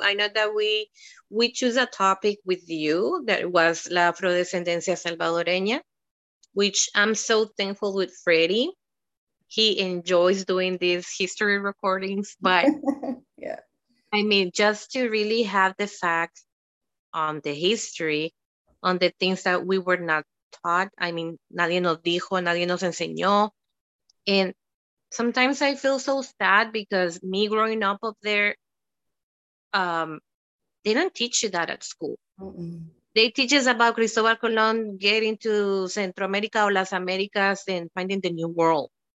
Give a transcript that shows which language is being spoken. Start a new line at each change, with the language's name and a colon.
English: I know that we choose a topic with you that was La Afrodescendencia Salvadoreña, which I'm so thankful with Freddie. He enjoys doing these history recordings, but yeah, I mean, just to really have the facts on the history, on the things that we were not taught. I mean,
Spanish: nadie nos dijo, nadie nos enseñó.
English: And sometimes I feel so sad because me growing up up there, they don't teach you that at school. Mm-mm. They teach us about Cristobal Colón getting to Central America or Las Americas and finding the new world.